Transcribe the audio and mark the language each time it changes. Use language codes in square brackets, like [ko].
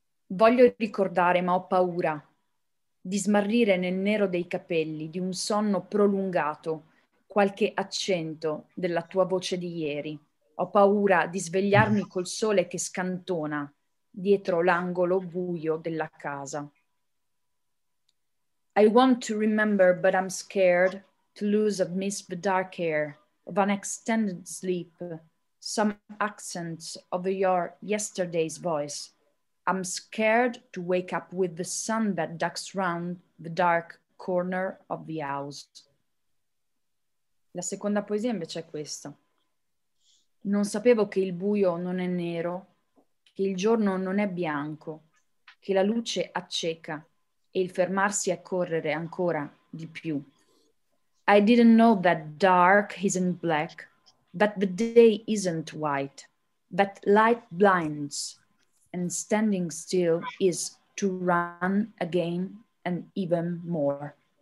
[it] Voglio ricordare, ma ho paura di smarrire nel nero dei capelli di un sonno prolungato qualche accento della tua voce di ieri. Ho paura di svegliarmi col sole che scantona dietro l'angolo buio della casa. [en] I want to remember, but I'm scared to lose amidst the dark air of an extended sleep some accents of your yesterday's voice. I'm scared to wake up with the sun that ducks round the dark corner of the house. [it] La seconda poesia invece è questa. Non sapevo che il buio non è nero, che il giorno non è bianco, che la luce acceca e il fermarsi a correre ancora di più. [en] I didn't know that dark isn't black, that the day isn't white, that light blinds. And standing still is to run again and even more.